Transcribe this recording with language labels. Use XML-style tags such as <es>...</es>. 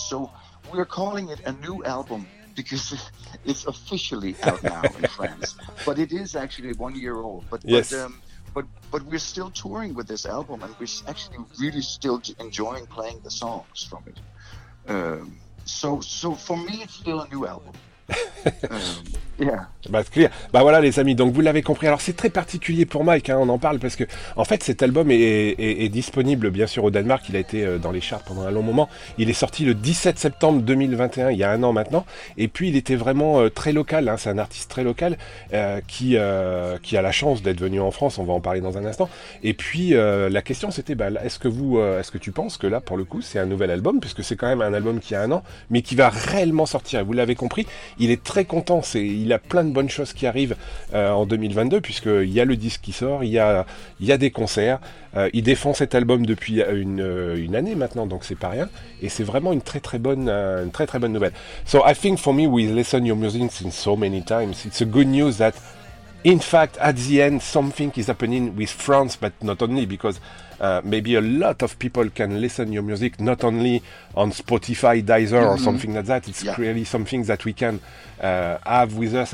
<en>So we're calling it a new album because it's officially out now in France, but it is actually 1 year old. But yes. But we're still touring with this album, and we're actually really still enjoying playing the songs from it. So for me, it's still a new album.</en> <fr>Bah, clair. Bah voilà les amis, donc vous l'avez compris. Alors c'est très particulier pour Mike, hein, on en parle parce que en fait cet album est disponible bien sûr au Danemark, il a été dans les charts pendant un long moment. Il est sorti le 17 septembre 2021, il y a un an maintenant, et puis il était vraiment très local, hein, c'est un artiste très local qui a la chance d'être venu en France, on va en parler dans un instant. Et puis la question c'était est-ce que tu penses que là pour le coup c'est un nouvel album, puisque c'est quand même un album qui a un an, mais qui va réellement sortir. Vous l'avez compris, il est très content, il a plein de bonnes choses qui arrivent en 2022, puisqu'il y a le disque qui sort, il y a des concerts, il défend cet album depuis une année maintenant, donc c'est pas rien, et c'est vraiment une très très bonne nouvelle.</fr> <en>So I think for me, we listen your music since so many times, it's a good news that in fact, at the end, something is happening with France, but not only, because maybe a lot of people can listen your music, not only on Spotify, Deezer, or something like that. It's clearly something that we can have with us.</en>